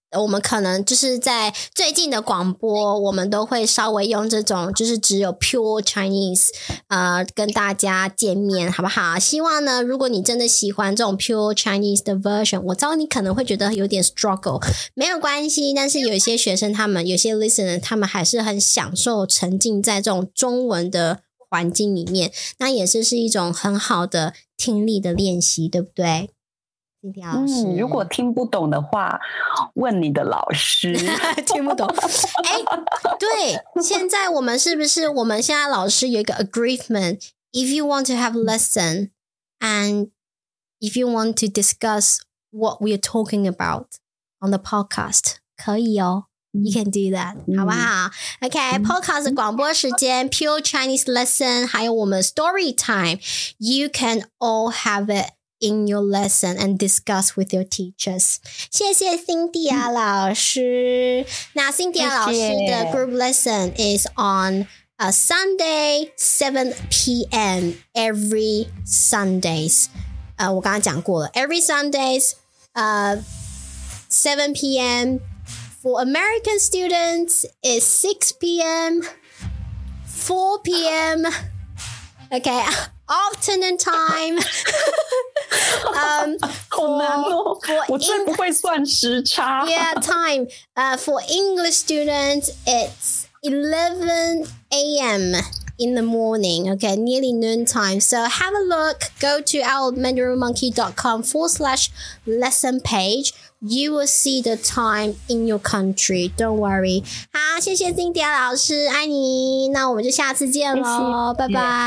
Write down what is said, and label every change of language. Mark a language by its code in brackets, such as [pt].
[zh] 我们可能就是在最近的广播我们都会稍微用这种就是只有 pure Chinese、跟大家见面好不好，希望呢如果你真的喜欢这种 pure Chinese 的 version， 我知道你可能会觉得有点 struggle， 没有关系，但是有些学生他们有些 listener 他们还是很享受沉浸在这种中文的环境里面，那也是一种很好的听力的练习，对不对？嗯，如果听不懂的话问你的老师听不懂哎、欸，对，现在我们是不是我们现在老师有一个 [en] agreement， if you want to have lesson and if you want to discuss what we're talking about on the podcast， [zh] 可以哦， [en] you can do that、 [zh] 嗯、好不好， [en] OK、嗯、podcast [zh] 广播时间 [en] pure Chinese lesson [zh] 还有我们 [en] story time， you can all have itIn your lesson and discuss with your teachers. [zh] 谢谢 Cynthia 老师。那 Cynthia 老师的 [en] group lesson is on a Sunday 7 p.m. every Sundays. [zh] 我刚刚讲过了 ， [en] every Sundays, 7 p.m. for American students is 6 p.m. 4 p.m. Okay. Afternoon time. [zh] 好难哦 我最不会算时差。 [en] Yeah, time. For English students, it's 11 a.m. in the morning. Okay, nearly noon time. So have a look. Go to our mandarinmonkey.com/lesson page. You will see the time in your country. Don't worry. [zh] 好，谢谢金蝶老师，爱你。那我们就下次见咯，拜拜。